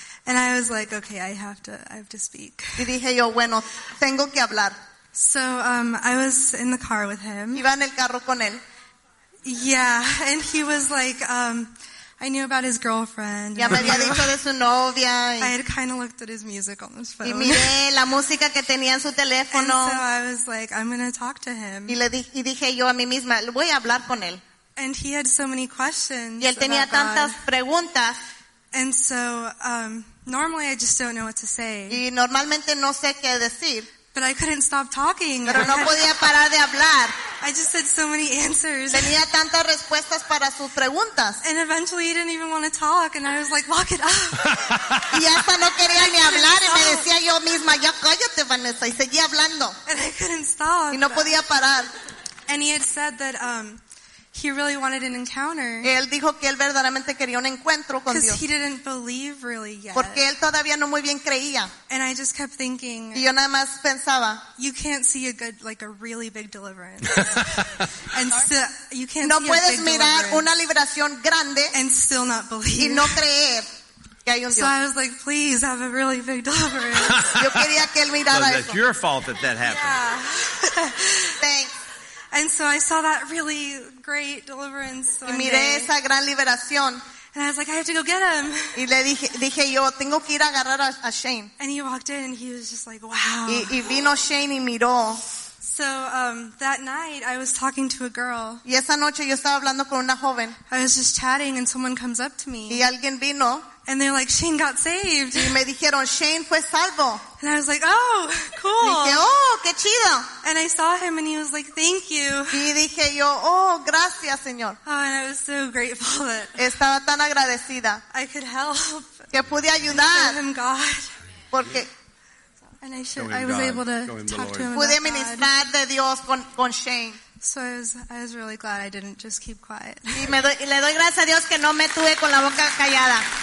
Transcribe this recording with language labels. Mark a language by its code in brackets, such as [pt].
[en] And I was like, okay, I have to speak. [es] Y dije yo, bueno, tengo que hablar. [en] So I was in the car with him. [es] Iba en el carro con él. [en] Yeah, and he was like, I knew about his girlfriend. [es] Ya me había dicho de su novia. [en] I had kind of looked at his music on his phone. [es] Y miré la música que tenía en su teléfono. [en] And so I was like, I'm going to talk to him. [es] Y dije yo a mí misma, voy a hablar con él. [en] And he had so many questions. [es] Y él tenía tantas preguntas. [en] And so normally I just don't know what to say. [es] Y normalmente no sé qué decir. [en] But I couldn't stop talking. [es] Pero no podía parar de hablar. [en] I just had so many answers. [es] Tenía tantas respuestas para sus preguntas. [en] And eventually he didn't even want to talk and I was like, lock it up. [es] Y hasta no quería ni hablar y me decía yo misma, ya cállate, Vanessa, y seguía hablando. [en] And I couldn't stop. [es] Y no podía parar. [en] And he had said that he really wanted an encounter. [es] Él dijo que él verdaderamente quería un encuentro con Dios. [en] Because he didn't believe really yet. [es] Porque él todavía no muy bien creía. [en] And I just kept thinking. [es] Y yo nada más pensaba. [en] You can't see a good, like a really big deliverance. And so, you can't [es] no [en] see [es] puedes [en] a big [es] mirar [en] deliverance [es] una liberación grande. [en] And still not believe. [es] Y no creer que hay un Dios. [en] So I was like, please have a really big deliverance. [es] Yo quería que él mirara eso. [en] It's your fault that that happened. Yeah. Thanks. And so I saw that really great deliverance. [es] Y miré esa gran liberación. [en] And I was like, I have to go get him. [es] Y le dije yo, tengo que ir a agarrar a Shane. [en] And he walked in and he was just like, wow. [es] Y vino Shane y miró. [en] So that night I was talking to a girl. [es] Y esa noche yo estaba hablando con una joven. [en] I was just chatting and someone comes up to me. [es] Y alguien vino. [en] And they're like, Shane got saved. [es] Y me dijeron, Shane fue salvo. [en] And I was like, oh, cool. [es] Y dije, oh, qué chido. [en] And I saw him and he was like, thank you. [es] Y dije yo, oh, gracias, señor. [en] Oh, and I was so grateful that [es] estaba tan agradecida. [en] I could help. [es] Que pude ayudar. [en] And I showed him God. [es] Porque [en] and I was able to talk to him. [es] Pude ministrar de Dios con Shane. [en] So I was really glad I didn't just keep quiet. [es] Y le doy gracias a Dios que no me tuve con la boca callada.